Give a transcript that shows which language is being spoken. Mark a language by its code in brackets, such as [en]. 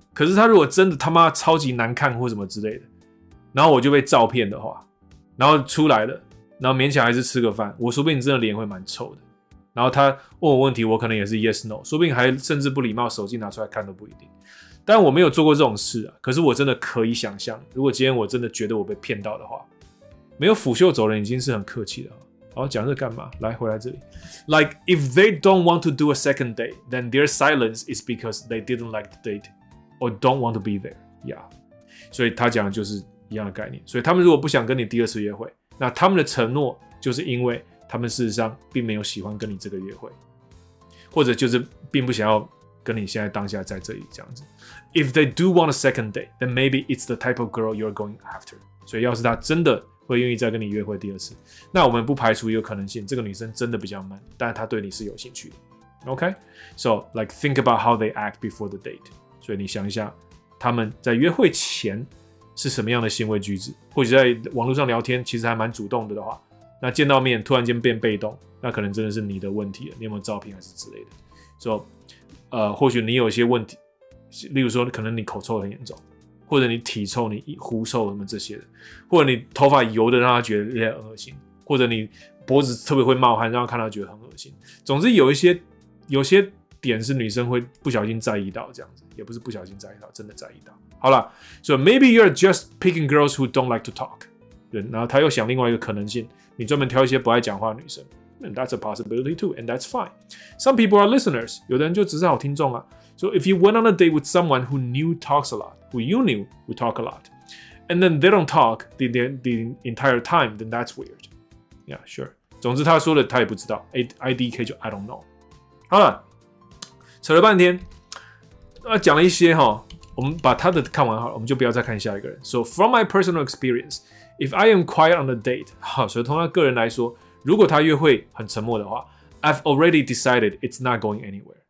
[zh] 可是他如果真的他妈超级难看或什么之类的，然后我就被照片的话，然后出来了，然后勉强还是吃个饭，我说不定真的脸会蛮臭的。然后他问我问题，我可能也是 yes no， 说不定还甚至不礼貌，手机拿出来看都不一定。但我没有做过这种事啊，可是我真的可以想象，如果今天我真的觉得我被骗到的话，没有拂袖走人已经是很客气的了。好，讲这干嘛？来回来这里。 [en] Like if they don't want to do a second date, then their silence is because they didn't like the date or don't want to be there. [zh] Yeah， 所以他讲的就是一样的概念。所以他们如果不想跟你第二次约会，那他们的承诺就是因为他们事实上并没有喜欢跟你这个约会，或者就是并不想要跟你现在当下在这里这样子。 [en] If they do want a second date, then maybe it's the type of girl you're going after. [zh] 所以要是他真的会愿意再跟你约会第二次，那我们不排除一个可能性，这个女生真的比较闷，但她对你是有兴趣的。 [en] OK? So, like, think about how they act before the date. [zh] 所以你想一下，他们在约会前是什么样的行为举止，或许在网络上聊天其实还蛮主动的话，那见到面突然间变被动，那可能真的是你的问题了，你有没有照片还是之类的。 So, 或许你有一些问题，例如说可能你口臭很严重，或者你体臭、你狐臭什么这些的，或者你头发油的让他觉得很恶心，或者你脖子特别会冒汗让他看到觉得很恶心。总之有些点是女生会不小心在意到，这样子也不是不小心在意到，真的在意到。好啦，所以 [en] maybe you're just picking girls who don't like to talk。 [zh] 然后他又想另外一个可能性，你专门挑一些不爱讲话的女生。 [en] And that's a possibility too, and that's fine. Some people are listeners. [zh] 有的人就只是好听众啊。 [en] So if you went on a date with someone who knew talks a lot, who you knew would talk a lot, and then they don't talk the entire time, then that's weird. Yeah, sure. [zh] 总之他说的他也不知道 ,IDK 就 [en] I don't know. [zh] 好了，扯了半天，讲了一些齁，我们把他的看完好了，我们就不要再看下一个人。 [en] So from my personal experience, if I am quiet on a date, [zh] 好，所以从他个人来说，如果他约会很沉默的话， [en] I've already decided it's not going anywhere.